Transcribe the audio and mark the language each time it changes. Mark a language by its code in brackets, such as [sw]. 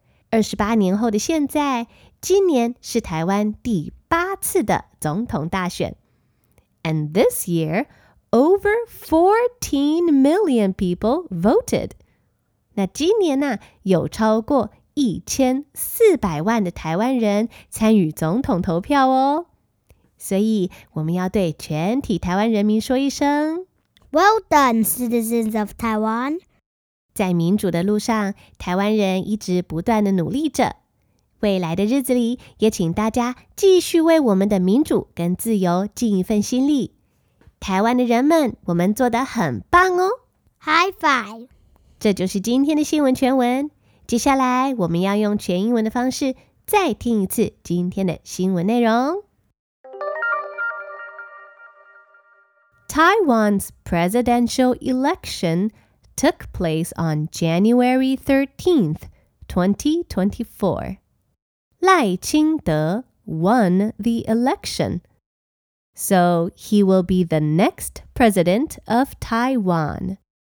[zh] 28年后的现在，今年是台湾第八次的总统大选。 [en] And this year, over 14 million people voted. [zh] 那今年呢、啊，有超过1400万的台湾人参与总统投票哦，所以我们要对全体台湾人民说一声 [en] ：Well done, citizens of Taiwan！ [zh] 在民主的路上，台湾人一直不断的努力着。未来的日子里，也请大家继续为我们的民主跟自由尽一份心力。台湾的人们，我们做得很棒哦 [en] ！High five！ [zh] 这就是今天的新闻全文。接下来我们要用全英文的方式再听一次今天的新闻内容。 [en] Taiwan's presidential election took place on January 13th, 2024. 赖清德 won the election. So he will be the next president of Taiwan.